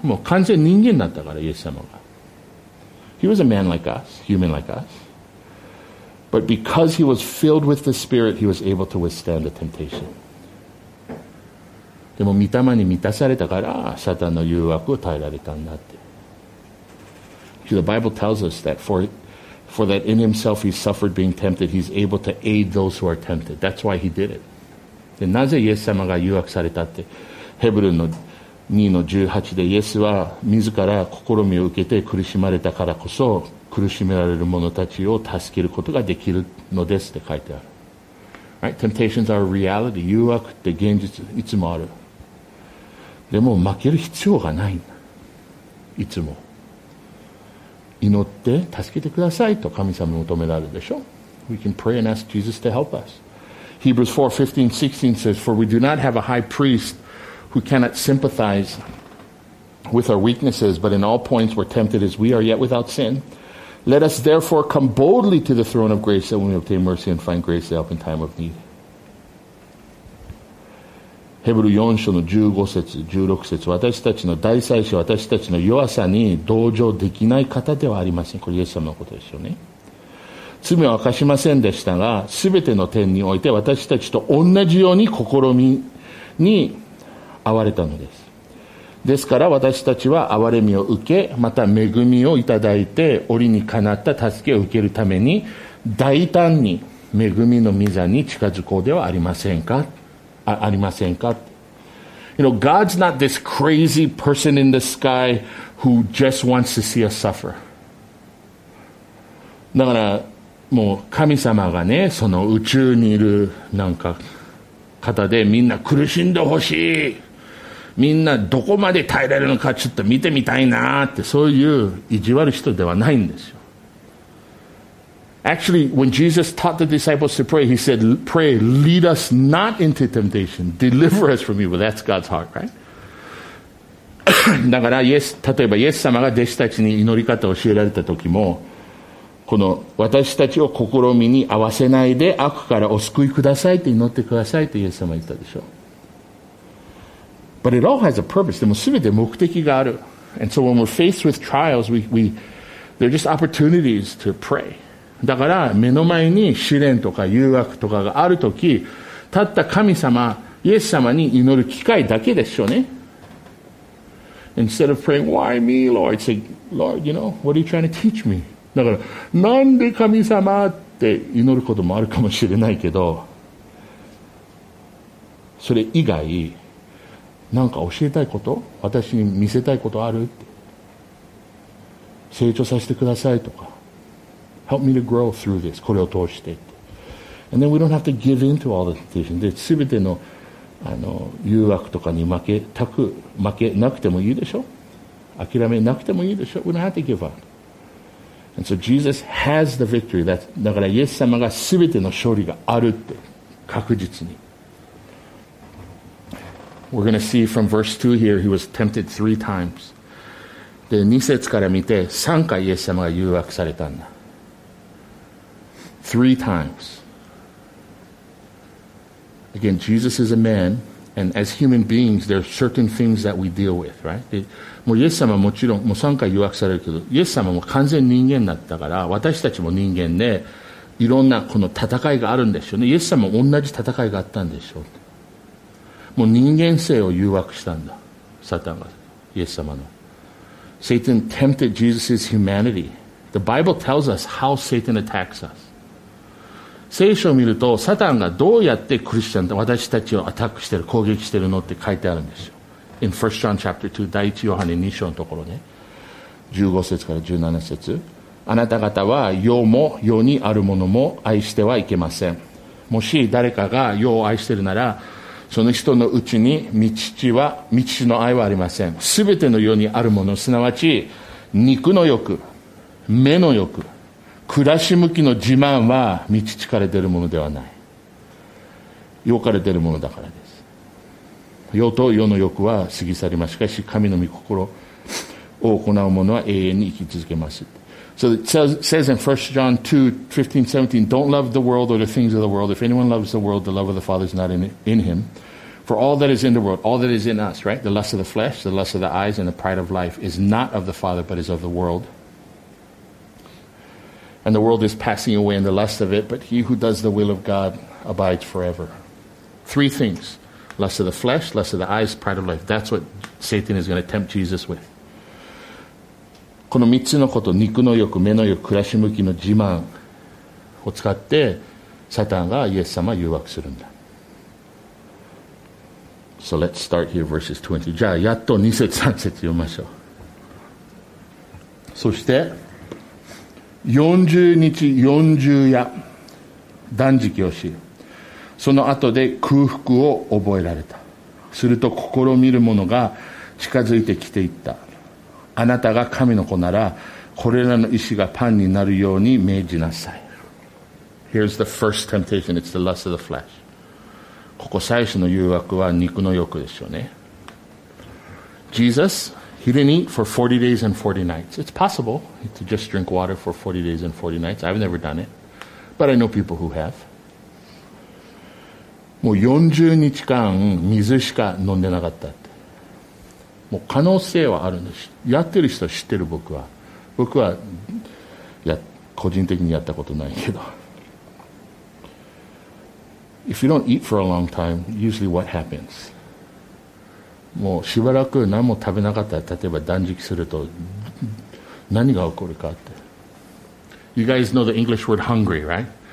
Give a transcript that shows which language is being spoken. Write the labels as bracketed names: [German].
[Japanese] もう完全人間だったから、イエス様が。 [English] He was a man like us, human like us. But because he was filled with the Spirit, he was able to withstand the temptation. [Japanese] でも御霊に満たされたから、サタンの誘惑を耐えられたんだって。 [English] So、the Bible tells us that for that in himself he suffered being tempted, he's able to aid those who are tempted. That's why he did it. [Japanese] でなぜイエス様が誘惑されたって、ヘブルの2の18でイエスは自ら試みを受けて苦しまれたからこそ苦しめられる者たちを助けることができるのですって書いてある。 [English] Right? Temptations are a reality. [Japanese] 誘惑って現実、いつもある。でも負ける必要がない、いつも祈って助けてくださいと神様に求められるでしょ。 [English] We can pray and ask Jesus to help usHebrews 4:15-16 says, For we do not have a high priest who cannot sympathize with our weaknesses, but in all points we're tempted as we are, yet without sin. Let us therefore come boldly to the throne of grace that we may obtain mercy and find grace to help in time of need. [Japanese] ヘブル4章の15節16節私たちの大祭司私たちの弱さに同情できない方ではありません。これイエス様のことですよね。罪を犯しませんでしたが、すべての点において私たちと同じように試みに遭われたのです。ですから私たちは憐れみを受け、また恵みをいただいて、折にかなった助けを受けるために大胆に恵みの御座に近づこうではありませんか、ありませんか。 [English] You know, God's not this crazy person in the sky who just wants to see us suffer. [Japanese] だからもう神様がね、その宇宙にいるなんか方で、みんな苦しんでほしい、みんなどこまで耐えられるのかちょっと見てみたいなって、そういう意地悪人ではないんですよ。 [English] Actually, when Jesus taught the disciples to pray, he said, pray, lead us not into temptation, deliver us from evil. That's God's heart, right? [Japanese] だからイエス、例えばイエス様が弟子たちに祈り方を教えられた時も、この私たちを試みに合わせないで悪からお救いくださいって祈ってくださいってイエス様言ったでしょ。 [English] But it all has a purpose. [Japanese] でも全て目的がある。 [English] And so when we're faced with trials, they're just opportunities to pray. [Japanese] だから目の前に試練とか誘惑とかがあるとき、たった神様、イエス様に祈る機会だけでしょうね。 [English] Instead of praying, why me, Lord? Say, Lord, you know, what are you trying to teach me? [Japanese] だからなんで神様って祈ることもあるかもしれないけど、それ以外なんか教えたいこと、私に見せたいことある、成長させてくださいとか、 [English] Help me to grow through this、 [Japanese] これを通して、 [English] And then we don't have to give in to all the temptation. [Japanese] で、全て の誘惑とかに負けなくてもいいでしょ、諦めなくてもいいでしょ。 [English] We don't have to give upAnd so Jesus has the victory. [Japanese] だからイエス様が全ての勝利があるって確実に。 [English] We're going to see from verse 2 here, he was tempted 3 times. [Japanese] で、2節から見て3回イエス様が誘惑されたんだ。 [English] 3 times. Again, Jesus is a man, and as human beings, there are certain things that we deal with, right? [Japanese] もうイエス様はもちろんもう3回誘惑されるけど、イエス様も完全人間だったから、私たちも人間で、いろんなこの戦いがあるんでしょうね。イエス様も同じ戦いがあったんでしょう。もう人間性を誘惑したんだ、サタンがイエス様の。 [English] Satan tempted Jesus' humanity. The Bible tells us how Satan attacks us. [Japanese] 聖書を見るとサタンがどうやってクリスチャン、私たちをアタックしてる、攻撃してるのって書いてあるんですよ。 [English] In 1 John chapter 2, [Japanese] 第1ヨハネ2章のところね、15節から17節、あなた方は世も世にあるものも愛してはいけません。もし誰かが世を愛しているなら、その人のうちに御父の愛はありません。すべての世にあるもの、すなわち肉の欲、目の欲、暮らし向きの自慢は御父から出るものではない、世から出るものだからです。世と世の欲は過ぎ去ります、しかし神の御心を行う者は永遠に生き続けます。 [English] So it says in 1 John 2, 15, 17, Don't love the world or the things of the world. If anyone loves the world, the love of the Father is not in him. For all that is in the world, all that is in us, right? The lust of the flesh, the lust of the eyes, and the pride of life is not of the Father, but is of the world. And the world is passing away in the lust of it, but he who does the will of God abides forever. Three things. Lust of the flesh, lust of the eyes, pride of life. That's what Satan is going to tempt Jesus with. [Japanese] この3つのこと、肉の欲、目の欲、暮らし向きの自慢を使ってサタンがイエス様を誘惑するんだ。 [English] So let's start here, verses 20. [Japanese] じゃあやっと2節3節読みましょう。そして40日40夜断食をし、その後で空腹を覚えられた。すると試みる者が近づいてきていった。あなたが神の子なら、これらの石がパンになるように命じなさい。 [English] Here's the first temptation. It's the lust of the flesh. [Japanese] ここ最初の誘惑は肉の欲ですよね。 [English] Jesus, he didn't eat for 40 days and 40 nights. It's possible to just drink water for 40 days and 40 nights. I've never done it, but I know people who have. [Japanese] もう40日間水しか飲んでなかったって。もう可能性はあるんです。やってる人は知ってる、僕は。僕は、個人的にやったことないけど。 [English] If you don't eat for a long time, usually what happens? [Japanese] もうしばらく何も食べなかったら、例えば断食すると何が起こるかって。 [English] You guys know the English word hungry, right?